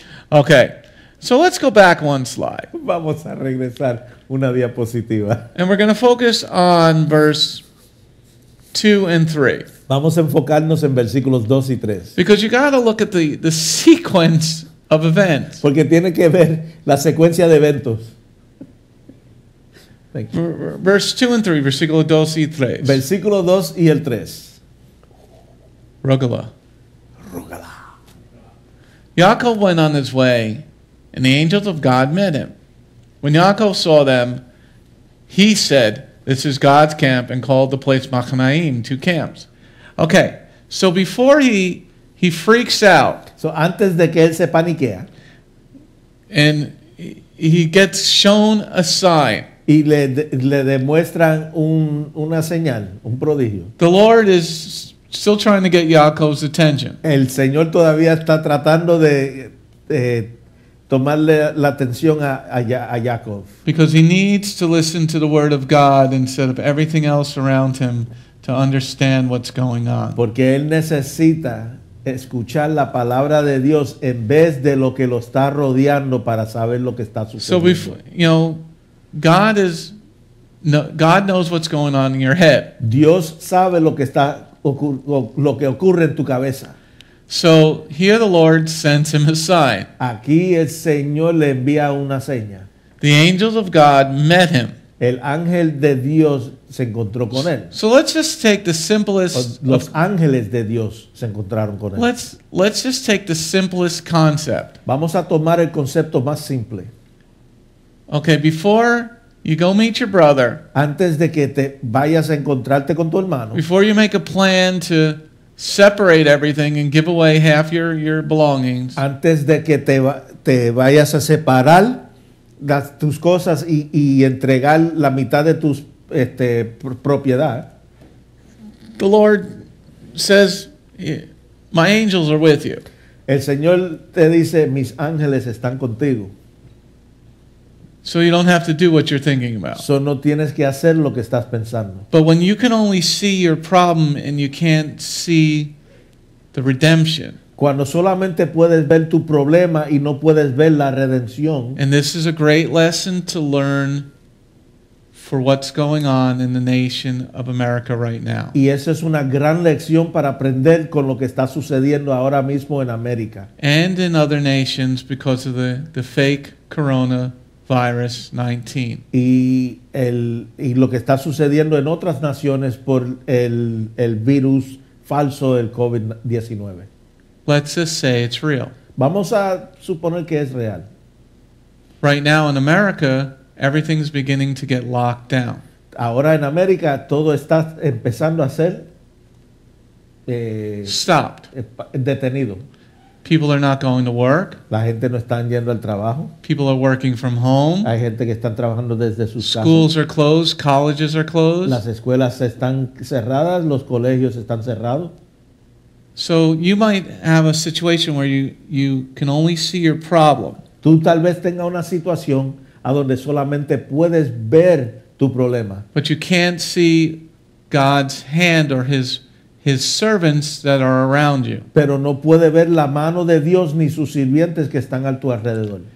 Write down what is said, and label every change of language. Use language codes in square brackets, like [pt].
[en] Okay, so let's go back one slide. [es] Vamos a regresar una diapositiva. [en] And we're going to focus on verse 2 and 3. [es] Vamos a enfocarnos en versículos 2 y 3. [en] Because you got to look at the sequence of events. [es] Porque tiene que ver la secuencia de eventos. [en] Verse 2 and 3, [es] versículo 2 y 3. Versículo 2 y el 3. Rugala. [en] Yaakov went on his way, and the angels of God met him. When Yaakov saw them, he said, "This is God's camp," and called the place Machanaim, two camps. Okay, so before he freaks out. [es] So antes de que él se paniquea. [en] And he gets shown a sign. [es] Y le demuestran una señal, un prodigio. [en] The Lord is still trying to get Yaakov's attention. [es] El Señor todavía está tratando de tomarle la atención a Yaakov. [en] Because he needs to listen to the word of God instead of everything else around him to understand what's going on. [es] Porque él necesita escuchar la palabra de Dios en vez de lo que lo está rodeando para saber lo que está sucediendo. [en] So God knows what's going on in your head. [es] Dios sabe lo que está lo que ocurre en tu cabeza. [en] So here the Lord sends him a sign. [es] Aquí el Señor le envía una seña. [en] The angels of God met him. [es] El ángel de Dios se encontró con él. [en] So let's just take the simplest. [es] Los ángeles de Dios se encontraron con él. [en] Let's just take the simplest concept. [es] Vamos a tomar el concepto más simple. [en] Okay, before you go meet your brother. [es] Antes de que te vayas a encontrarte con tu hermano. [en] Before you make a plan to separate everything and give away half your belongings. [es] Antes de que te vayas a separar las tus cosas y entregar la mitad de tus propiedad. [en] The Lord says, my angels are with you. [es] El Señor te dice, mis ángeles están contigo. [en] So you don't have to do what you're thinking about. [es] So no tienes que hacer lo que estás pensando. [en] But when you can only see your problem and you can't see the redemption. [es] Cuando solamente puedes ver tu problema y no puedes ver la redención. [en] And this is a great lesson to learn for what's going on in the nation of America right now. [es] Y esa es una gran lección para aprender con lo que está sucediendo ahora mismo en América. [en] And in other nations because of the fake coronavirus 19. [es] Y lo que está sucediendo en otras naciones por el virus falso del COVID-19. [en] Let's just say it's real. [es] Vamos a suponer que es real. [en] Right now in America, everything's beginning to get locked down. [es] Ahora en América todo está empezando a ser [en] stopped. [es] Detenido. [en] People are not going to work. [es] La gente no está yendo al trabajo. [en] People are working from home. [es] Hay gente que está trabajando desde sus casas. [en] Schools are closed, colleges are closed. [es] Las escuelas están cerradas, los colegios están cerrados. [en] So you might have a situation where you can only see your problem. [es] Tú tal vez tengas una situación a donde solamente puedes ver tu problema. [en] But you can't see God's hand or his servants that are around you. [es] Pero no puede ver la mano de Dios ni sus sirvientes que están a tu alrededor.